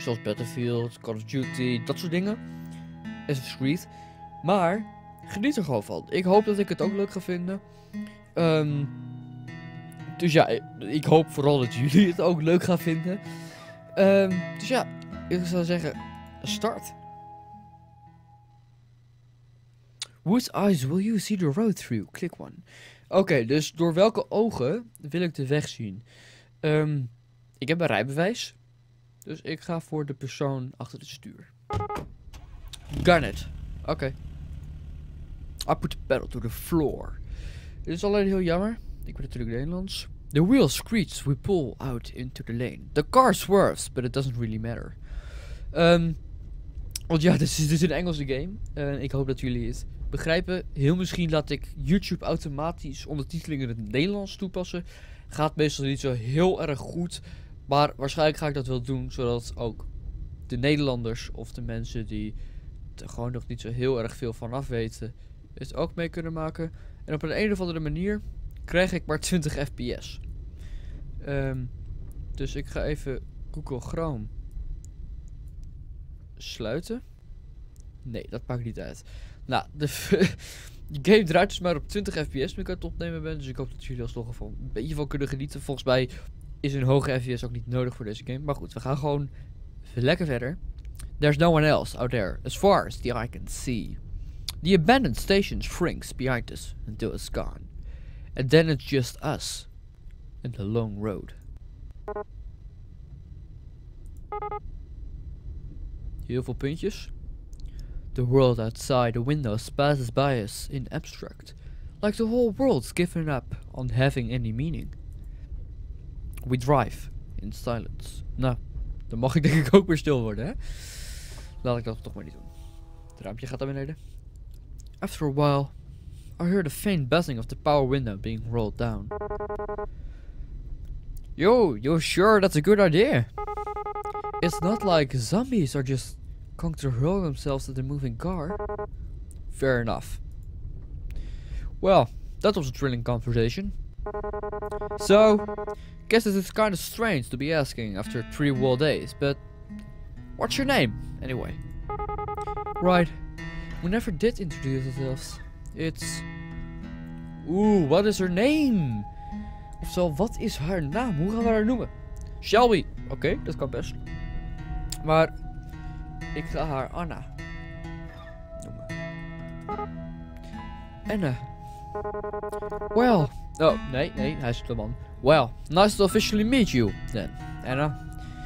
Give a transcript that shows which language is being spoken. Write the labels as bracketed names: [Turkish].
[Dutch] Zoals Battlefield, Call of Duty, dat soort dingen. Assassin's Creed. Maar geniet er gewoon van. Ik hoop dat ik het ook leuk ga vinden. Dus ja, ik hoop vooral dat jullie het ook leuk gaan vinden. Dus ja, ik zou zeggen, start. [English] Whose eyes will you see the road through? Click one. [Dutch] Oké, dus door welke ogen wil ik de weg zien? Ik heb een rijbewijs. Dus ik ga voor de persoon achter het stuur. Garnet. [English] Oké. I put the pedal to the floor. [Dutch] Dit is alleen heel jammer. Ik ben natuurlijk Nederlands. [English] The wheel screeches, we pull out into the lane. The car swerves, but it doesn't really matter. [Dutch] Want ja, dit is een Engelse game. Ik hoop dat jullie het begrijpen. Heel misschien laat ik YouTube automatisch ondertiteling in het Nederlands toepassen. Gaat meestal niet zo heel erg goed. Maar waarschijnlijk ga ik dat wel doen, zodat ook de Nederlanders of de mensen die er gewoon nog niet zo heel erg veel van af weten, het ook mee kunnen maken. En op een of andere manier krijg ik maar 20 fps. Dus ik ga even Google Chrome sluiten. Nee, dat maakt niet uit. Nou, de game draait dus maar op 20 fps nu ik aan het opnemen ben. Dus ik hoop dat jullie alsnog een beetje van kunnen genieten. Volgens mij is een hoge fps ook niet nodig voor deze game. Maar goed, we gaan gewoon lekker verder. [English] There's no one else out there, as far as the eye can see. The abandoned station shrinks behind us until it's gone. And then it's just us and the long road. [Dutch] Heel veel puntjes. [English] The world outside the windows passes by us in abstract. Like the whole world's given up on having any meaning. We drive in silence. [Dutch] Nou, dan mag ik denk ik ook weer stil worden, hè? Laat ik dat toch maar niet doen. Het raampje gaat naar beneden. [English] After a while, I heard a faint buzzing of the power window being rolled down. Yo, you sure that's a good idea? It's not like zombies are just going to hurl themselves at the moving car. Fair enough. Well, that was a thrilling conversation. So, guess it's kind of strange to be asking after 3 whole days, but what's your name, anyway? Right, we never did introduce ourselves. It's... Ooh, what is her name? [Dutch] Ofwel, wat is haar naam? Hoe gaan we haar noemen? Shelby. Oké, dat kan best. Maar ik ga haar Anna noemen. En well, oh, nee, hij is de man. [English] Well, nice to officially meet you, then, Anna.